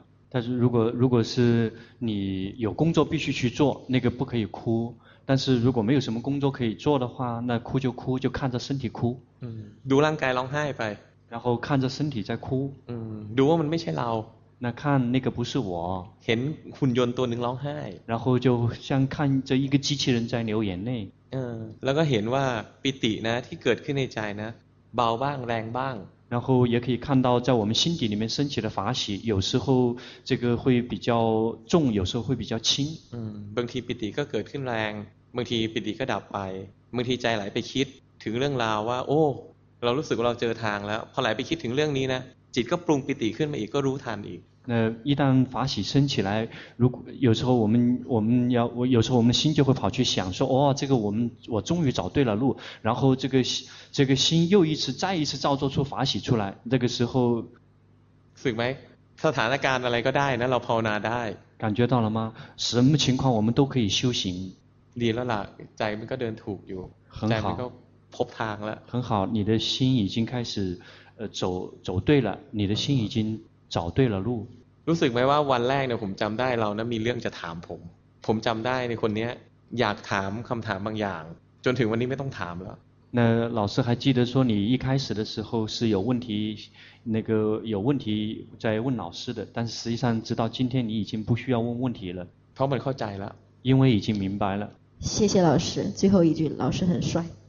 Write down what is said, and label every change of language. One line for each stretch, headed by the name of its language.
Chinese: แต่如果是你有工作必须去做那个不可以哭但是如果没有什么工作可以做的话那哭就哭就看着身体哭
Thai: ดูร่างกายร้องไห้ไป
Chinese: 然后看着身体在哭
Thai: ดูว่ามันไม่ใช่เรา
Chinese: 那看那个不是我
Thai: เห็นหุ่นยนต์ตัวหนึ่งร้องไห้
Chinese: 然后就像看着一个机器人在流眼泪
Thai: แล้วก็เห็นว่าปิตินะที่เกิดขึ้นในใจนะเบาบ้างแรงบ้าง
Chinese: 然后也可以看到在我们心底里面升起的法喜有时候这个会比较重有时候会比较轻
Thai: บางทีปิติก็เกิดขึ้นแรงบางทีปิติก็ดับไปบางทีใจไหลไปคิดถึงเรื่องราวว่าโอ้เรารู้สึกว่าเราเจอทางแล้วพอไหลไปคิดถึงเรื่องนี้นะจิตก็ปรุงปิติขึ้นมาอีกก็รู้ทันอีก
Chinese: 那一旦法喜升起来如果有时候我们要我有时候我们心就会跑去想说哦这个我终于找对了路然后这个心又一次再一次造作出法喜出来那个时候
Thai: สึกไหมสถานการณ์อะไรก็ได้นะเราภาวนาได้
Chinese: 感觉到了吗什么情况我们都可以修行
Thai: ดีแล้วล่ะใจมันก็เดินถูกอยู่ ใจมันก็พบทางแล้ว
Chinese: 很好你的心已经开始走对了你的心已经找对了路
Thai: รู้สึกไหมว่าวันแรกเนี่ยผมจำได้เรานะมีเรื่องจะถามผมจำได้ในคนนี้อยากถามคำถามบางอย่างจนถึงวันนี้ไม่ต้องถามแล้ว
Chinese: 那老师还记得说你一开始的时候是有问题那个有问题在问老师的但实际上直到今天你已经不需要问问题了
Thai: เพราะมันเข้าใจแล้ว
Chinese: 因为已经明白了谢谢老师最后一句老师很帅